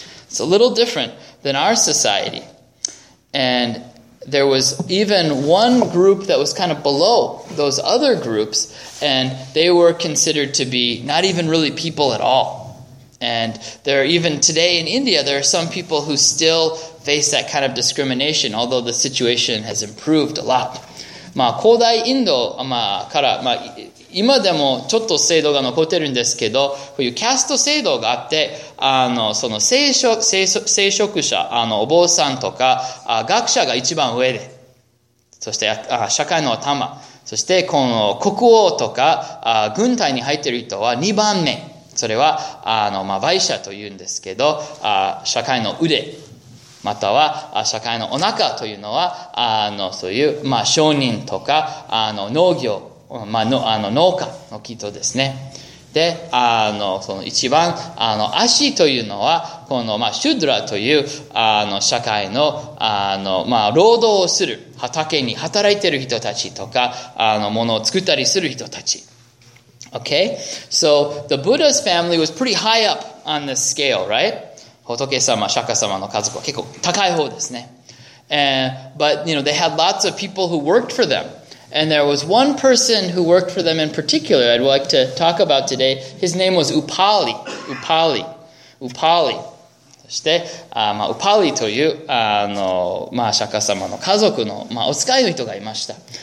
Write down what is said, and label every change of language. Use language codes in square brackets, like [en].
[en] It's a little different than our society. And there was even one group that was kind of below those other groups, and they were considered to be not even really people at all. And there are even today in India, there are some people who still face that kind of discrimination, although the situation has improved a lot. [ja] まあ、広大インドから、まあ、今でもちょっと制度が残ってるんですけど、こういうキャスト制度があって、その聖職者、お坊さんとか、学者が一番上で、そして、社会の頭、そしてこの国王とか、軍隊に入ってる人は2番目。それは、まあ、バイシャというんですけど、社会の腕。または社会のお腹というのはそういう、まあ、商人とか農業、まあ、農家の人ですね。で、その一番足というのはこの、まあ、シュドラという社会の、まあ、労働をする畑に働いている人たちとか物を作ったりする人たち。 [en] Okay? So the Buddha's family was pretty high up on the scale, right? [ja] 仏様、釈迦様の家族は結構高い方ですね。 [en] But, you know, they had lots of people who worked for them. And there was one person who worked for them in particular I'd like to talk about today. His name was Upali. Upali. Upali. [ja] そして、まあ、Upali という、まあ、釈迦様の家族の、まあ、お使いの人がいました。